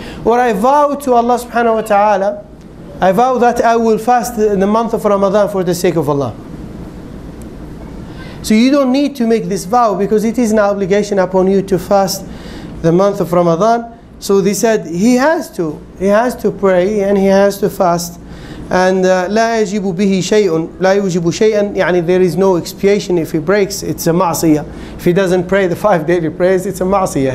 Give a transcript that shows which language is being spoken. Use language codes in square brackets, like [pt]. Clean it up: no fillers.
[en] Or I vow to Allah subhanahu wa ta'ala, I vow that I will fast in the month of Ramadan for the sake of Allah. So you don't need to make this vow, because it is an obligation upon you to fast the month of Ramadan. So they said he has to pray and he has to fast. And [ar] لا يجب به شيء لا يجب شيئا. يعني [en] there is no expiation if he breaks. It's a ma'asiyah. If he doesn't pray the 5 daily prayers, it's a ma'asiyah.